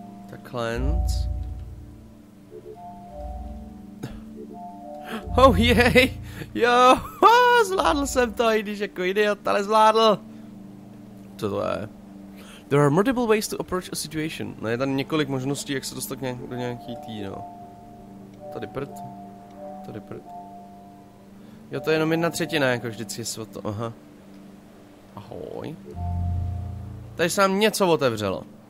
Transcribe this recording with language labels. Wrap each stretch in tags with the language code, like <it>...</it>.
<en>Darklands.</en> <cs>Oh jej, jo, zvládl jsem to, i když jako idiot, ale zvládl. Co to je?</cs> <en>There are multiple ways to approach a situation.</en> <cs>No, je tam několik možností, jak se dostat do nějaký tý, no. Tady prd. Jo, to je jenom jedna třetina, jako vždycky se o to, aha. Ahoj. Tady se nám něco otevřelo.</cs>